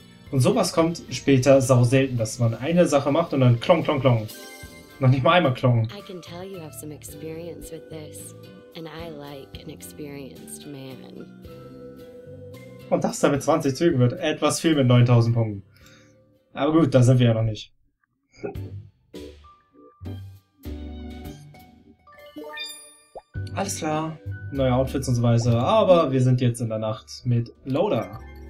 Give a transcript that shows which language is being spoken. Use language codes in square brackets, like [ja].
[de] Und sowas kommt später sau selten, dass man eine Sache macht und dann klong, klong, klong. Noch nicht mal einmal klong. [en] I can tell you have some experience with this. And I like an experienced man. [de] Und das dann mit 20 Zügen wird etwas viel mit 9000 Punkten. Aber gut, da sind wir ja noch nicht. Alles klar. Neue Outfits und so weiter. Aber wir sind jetzt in der Nacht mit Loda.